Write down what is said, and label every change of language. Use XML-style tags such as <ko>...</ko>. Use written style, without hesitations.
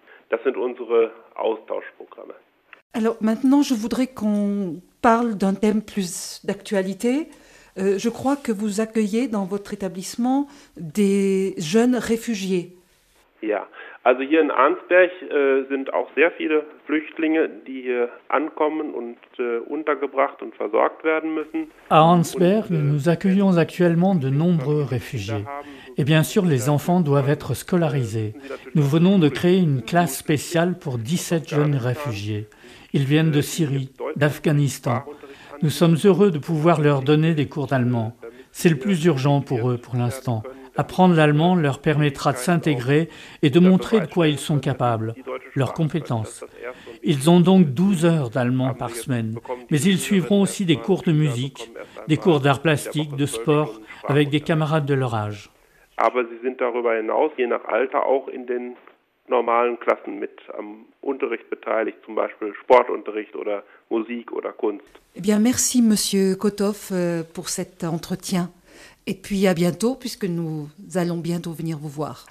<de>Das sind unsere Austauschprogramme.</de> <fr>Alors maintenant, je voudrais qu'on parle d'un thème plus d'actualité. Je crois que vous accueillez dans votre établissement des jeunes réfugiés.</fr> <de>Ja. Also hier in Arnsberg sind auch sehr viele Flüchtlinge, die hier ankommen und untergebracht und versorgt werden müssen.</de> <fr>À Arnsberg, nous accueillons actuellement de nombreux réfugiés. Et bien sûr, les enfants doivent être scolarisés. Nous venons de créer une classe spéciale pour 17 jeunes réfugiés. Ils viennent de Syrie, d'Afghanistan. Nous sommes heureux de pouvoir leur donner des cours d'allemand. C'est le plus urgent pour eux pour l'instant. Apprendre l'allemand leur permettra de s'intégrer et de montrer de quoi ils sont capables, leurs compétences. Ils ont donc 12 heures d'allemand par semaine, mais ils suivront aussi des cours de musique, des cours d'art plastique, de sport, avec des camarades de leur âge.</fr> <de>Aber sie sind darüber hinaus, je nach Alter, auch in den normalen Klassen mit am Unterricht beteiligt, zum Beispiel Sportunterricht oder Musik oder Kunst.</de> <fr>Eh bien, merci, Monsieur Kotov, pour cet entretien. Et puis à bientôt, puisque nous allons bientôt venir vous voir.</fr>